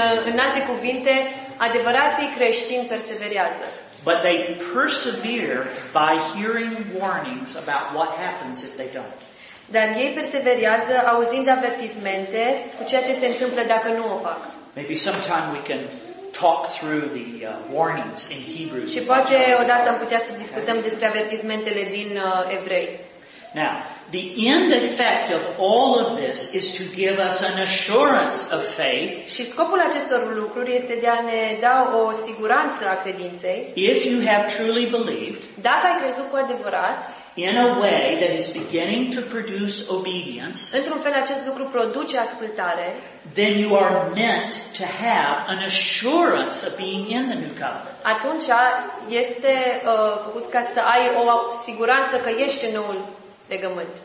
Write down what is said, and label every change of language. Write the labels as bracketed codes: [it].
[ro] În alte cuvinte, adevărații creștini perseverează. [en] But they persevere by hearing warnings about what happens if they don't. [ro] Dar ei perseverează auzind avertismente cu ceea ce se întâmplă dacă nu o fac. [en] Maybe sometime we can talk through the warnings in Hebrews. [ro] Și poate odată am putea să discutăm despre avertismentele din Evrei. [en] Now, the end effect of all of this is to give us an assurance of faith. [ro] Și scopul acestor lucruri este de a ne da o siguranță a credinței. [en] If you have truly believed, [ro] dacă ai crezut cu adevărat, [en] in a way that is beginning to produce obedience, [ro] într-un fel acest lucru produce ascultare, [en] then you are meant to have an assurance of being in the new covenant. [ro] Atunci este făcut ca să ai o siguranță că ești în noul legământ.